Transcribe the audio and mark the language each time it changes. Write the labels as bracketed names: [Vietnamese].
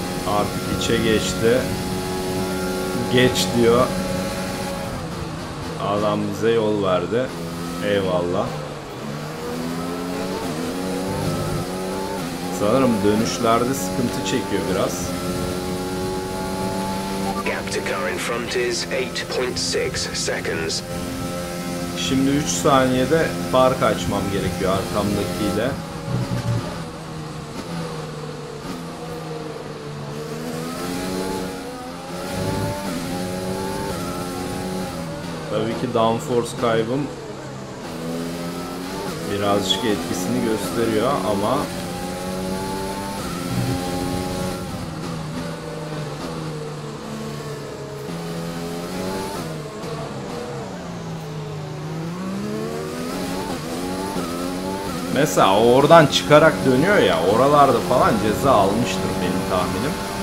[Turkish] Artık içe geçti. Geç diyor. Adam bize yol verdi. Eyvallah. Sanırım dönüşlerde sıkıntı çekiyor biraz. [English] Gap to car in front is 8.6 seconds. [Turkish] Şimdi 3 saniyede fark açmam gerekiyor arkamdakiyle. Tabii ki downforce kaybım birazcık etkisini gösteriyor ama mesela oradan çıkarak dönüyor ya, oralarda falan ceza almıştır benim tahminim.